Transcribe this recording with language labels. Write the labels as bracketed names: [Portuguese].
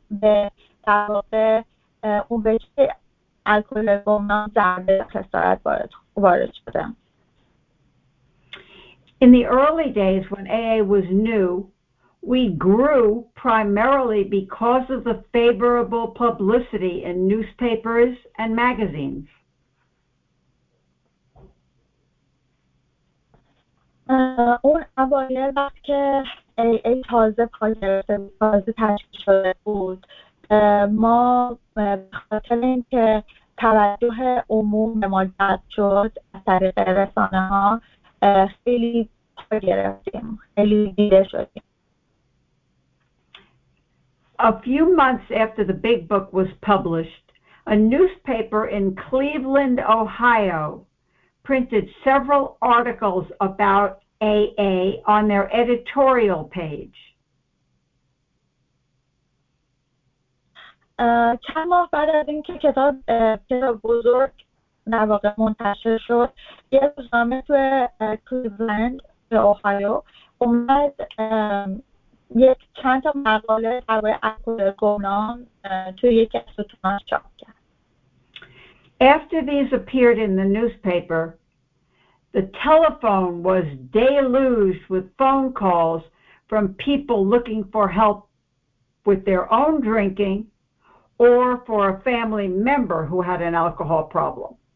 [Persian] به در واقع اون بهش الکلی گمنام ضربه خسارت وارد کرد. [English] In the early days when AA was new, we grew primarily because of the favorable publicity in newspapers and magazines. [Persian] اون اوایل وقت که AA تازه پاگرسه تشکیل شده بود، ما بخاطر اینکه توجه عموم به ما جلب شد از طریق رسانه ها خیلی پا گرفتیم، خیلی دیده شدیم. [English] A few months after the big book was published, a newspaper in Cleveland, Ohio printed several articles about AA on their editorial page. [Persian] چند ماه بعد از اینکه کتاب بزرگ در واقع منتشر شد، یه روزنامه توی کلیولند اوهایو اومد یک چند تا مقاله درباره الکل گمنام توی یکی از ستونهاش چاپ کرد. [English] After these appeared in the newspaper, the telephone was deluged with phone calls from people looking for help with their own drinking or for a family member who had an alcohol problem.